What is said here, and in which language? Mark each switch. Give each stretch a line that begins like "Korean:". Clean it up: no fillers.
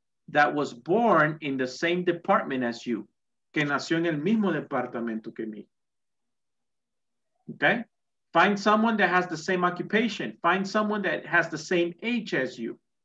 English: That was born in the same department as you.
Spanish: Que nació en el mismo departamento que mí.
English: Okay? Find someone that has the same occupation. Find someone that has the same age as you.